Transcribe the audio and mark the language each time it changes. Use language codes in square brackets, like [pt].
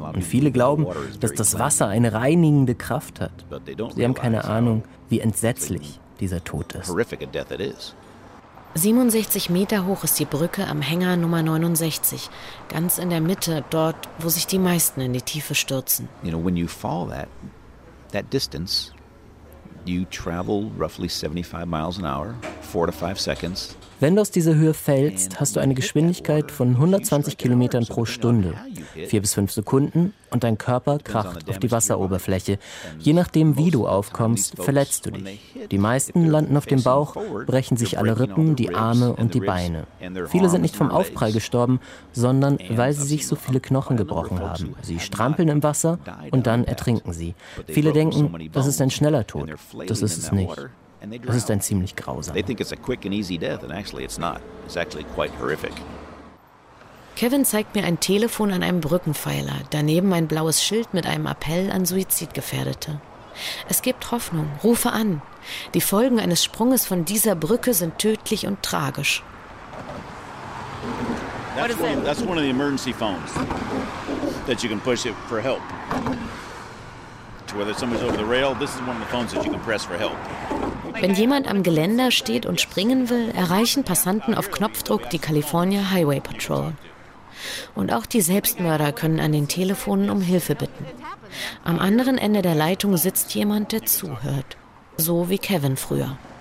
[de] Und viele glauben, dass das Wasser eine reinigende Kraft hat. Sie haben keine Ahnung, wie entsetzlich dieser Tod ist. 67 Meter hoch ist die Brücke am Hänger Nummer 69, ganz in der Mitte, dort, wo sich die meisten in die Tiefe stürzen. [en] When you fall that distance, you travel roughly 75 miles an hour, 4 to 5 seconds. [de] Wenn du aus dieser Höhe fällst, hast du eine Geschwindigkeit von 120 Kilometern pro Stunde, 4 bis 5 Sekunden, und dein Körper kracht auf die Wasseroberfläche. Je nachdem, wie du aufkommst, verletzt du dich. Die meisten landen auf dem Bauch, brechen sich alle Rippen, die Arme und die Beine. Viele sind nicht vom Aufprall gestorben, sondern weil sie sich so viele Knochen gebrochen haben. Sie strampeln im Wasser und dann ertrinken sie. Viele denken, das ist ein schneller Tod. Das ist es nicht. Das ist ein ziemlich grausamer. [en] They think it's a quick and easy death, and actually it's not. It's actually quite horrific. [de] Kevin zeigt mir ein Telefon an einem Brückenpfeiler, daneben ein blaues Schild mit einem Appell an Suizidgefährdete. Es gibt Hoffnung, rufe an. Die Folgen eines Sprunges von dieser Brücke sind tödlich und tragisch. [en] That's one of the emergency phones that you can push it for help. Whether somebody's over the rail, this is one of the phones that you can press for help. [de] Wenn jemand am Geländer steht und springen will, erreichen Passanten auf Knopfdruck die California Highway Patrol. Und auch die Selbstmörder können an den Telefonen um Hilfe bitten. Am anderen Ende der Leitung sitzt jemand, der zuhört. So wie Kevin früher.